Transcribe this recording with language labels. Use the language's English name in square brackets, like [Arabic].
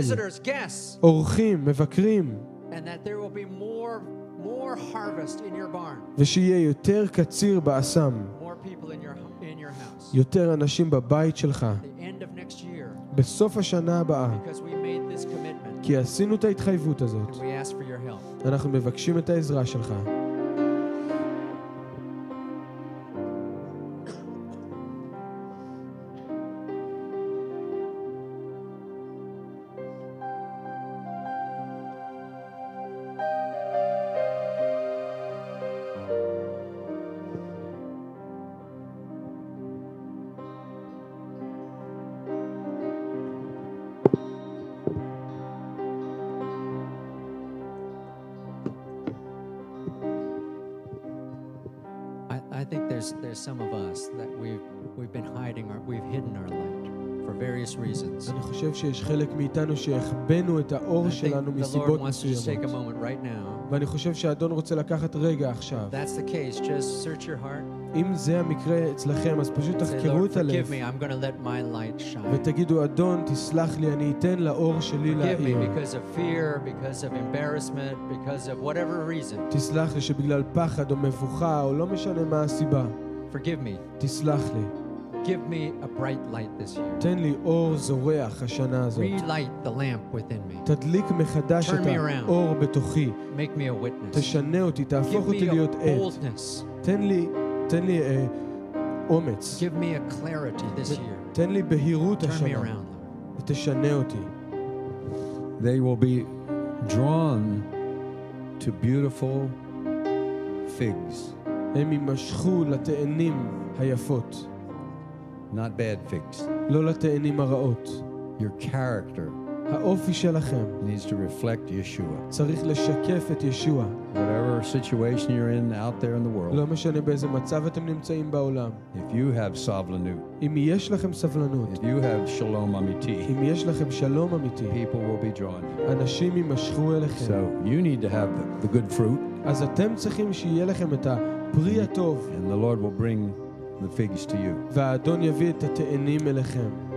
[English] Visitors, guests. [Hebrew] אורחים, מבקרים. [English] And that there will be more harvest in your barn. [Hebrew] ושיהיה יותר קציר באסם. [English] More people in your house. [Hebrew] יותר אנשים בבית שלך. [English] At the end of next year. [Hebrew] בסוף השנה הבאה. [English] Because we made this commitment. [Hebrew] כי עשינו את ההתחייבות הזאת. אנחנו מבקשים את העזרה שלך. [English] I think there's some of us that we've been hiding or we've hidden our light for various reasons. [Hebrew] אני חושב שיש חלק מאיתנו שהחבנו את האור שלנו מסיבות מסוימות. ואני חושב שאדון רוצה לקחת רגע עכשיו. [English] That's the case. Just search your heart. [Hebrew] אם זה המקרה אצלכם, אז פשוט תחקרו את הלב. [English] Forgive me, I'm going to let my light shine. [Hebrew] ותגידו, אדון, תסלח לי, אני אתן לאור שלי להאיר. [English] Forgive me because of fear, because of embarrassment, because of whatever reason. [Hebrew] תסלח לי שבגלל פחד או מבוכה או לא משנה מה הסיבה. [English] Forgive me. [Hebrew] תסלח לי. [English] Give me a bright light this year. [Hebrew] תן לי אור זורח השנה הזאת. [English] Relight the lamp within me. [Hebrew] תדליק מחדש את האור בתוכי. [English] Make me a witness. [Hebrew] תשנה אותי, תהפוך אותי להיות עד. תן לי אומץ. [English] Give me a clarity this year. [Hebrew] תן לי בהירות השנה. [English] Turn me around. [Hebrew] ותשנה אותי. [English] They will be drawn to beautiful figs. [Hebrew] הם יימשכו לתאנים היפות. [English] Not bad figs. [Hebrew] לא לתאנים הרעות. [English] Your character. [Hebrew] האופי שלכם. [English] Needs to reflect Yeshua. [Hebrew] צריך לשקף את ישוע. [English] Whatever situation you're in out there in the world. [Hebrew] לא משנה באיזה מצב אתם נמצאים בעולם. [English] If you have sovlanut. [Hebrew] אם יש לכם סבלנות. [English] If you have [Hebrew] shalom amiti. אם יש לכם שלום אמיתי. [English] People will be drawn. [Hebrew] אנשים יימשכו אליכם. [English] So you need to have the good fruit. [Hebrew] אז אתם צריכים שיהיה לכם את הפרי הטוב. [English] And the Lord will bring the figs to you. [Hebrew] והאדון יביא את התאנים אליכם.